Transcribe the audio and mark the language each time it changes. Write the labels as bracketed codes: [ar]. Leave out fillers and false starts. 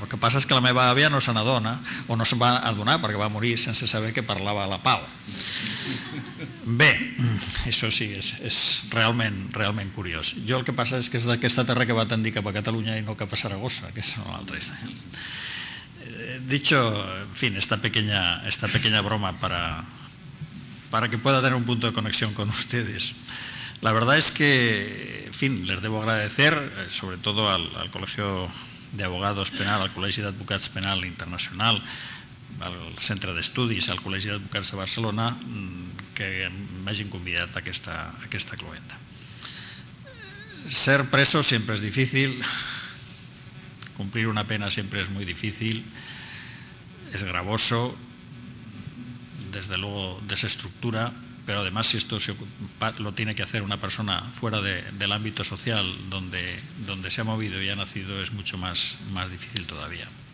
[ca] El que passa és que la meva àvia no se n'adona, o no se'n va adonar, perquè va morir sense saber que parlava la pau. Bé, això sí, és realment, realment curiós. Jo el que passa és que és d'aquesta terra que va tendir cap a Catalunya i no cap a Saragossa, que és una altra història. [es] Dicho, en fi, esta pequeña broma para que pueda tener un punto de conexión con ustedes. La verdad es que, en fin, les debo agradecer, sobre todo al Colegio de Abogados Penal, [ca] al Col·legi d'Advocats Penal Internacional, al Centre d'Estudis, al Col·legi d'Advocats de Barcelona, que m'hagin convidat a aquesta cloenda. Ser preso sempre és difícil, complir una pena sempre és molt difícil, és gravoso, [es] des de luego desestructura, pero además si esto lo tiene que hacer una persona fuera del ámbito social donde se ha movido y ha nacido, es mucho más difícil todavía.